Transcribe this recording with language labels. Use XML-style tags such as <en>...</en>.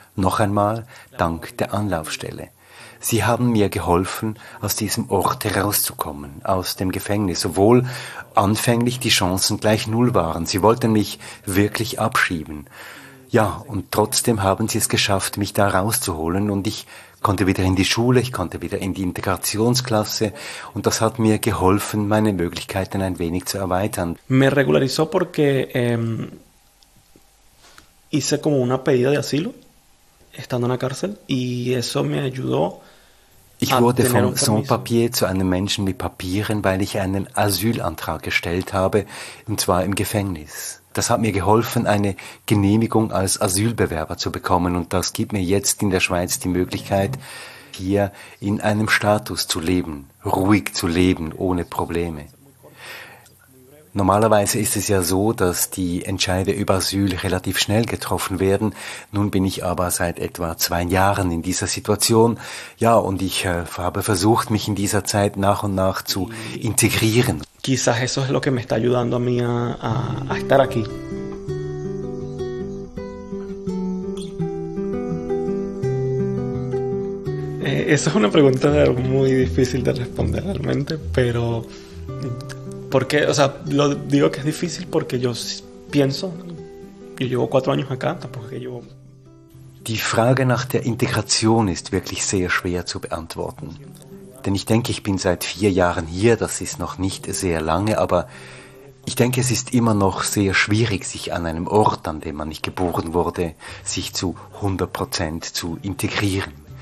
<de>Noch einmal dank der Anlaufstelle. Sie haben mir geholfen, aus diesem Ort herauszukommen, aus dem Gefängnis, obwohl anfänglich die Chancen gleich null waren. Sie wollten mich wirklich abschieben. Ja, und trotzdem haben sie es geschafft, mich da rauszuholen und ich konnte wieder in die Schule, ich konnte wieder in die Integrationsklasse und das hat mir geholfen, meine Möglichkeiten ein wenig zu erweitern.</de> <es>Me regularizó porque hice como una pedida de asilo estando en la cárcel y eso me ayudó.</es> <de>Ich wurde vom Sans-Papier zu einem Menschen mit Papieren, weil ich einen Asylantrag gestellt habe, und zwar im Gefängnis. Das hat mir geholfen, eine Genehmigung als Asylbewerber zu bekommen und das gibt mir jetzt in der Schweiz die Möglichkeit, hier in einem Status zu leben, ruhig zu leben, ohne Probleme. Normalerweise ist es ja so, dass die Entscheide über Asyl relativ schnell getroffen werden. Nun bin ich aber seit etwa 2 Jahren in dieser Situation. Ja, und ich habe versucht, mich in dieser Zeit nach und nach zu integrieren.</de> <es>Quizás eso es lo que me está ayudando a mí a estar aquí. Esa es una pregunta muy difícil de responder realmente, pero porque, o sea, lo digo que es difícil porque yo pienso, yo llevo 4 años acá, tampoco que llevo.</es> <de>Die Frage nach der Integration ist wirklich sehr schwer zu beantworten. Denn ich denke, ich bin seit 4 Jahren hier, das ist noch nicht sehr lange, aber ich denke, es ist immer noch sehr schwierig, sich an einem Ort, an dem man nicht geboren wurde, sich zu 100% zu integrieren.</de>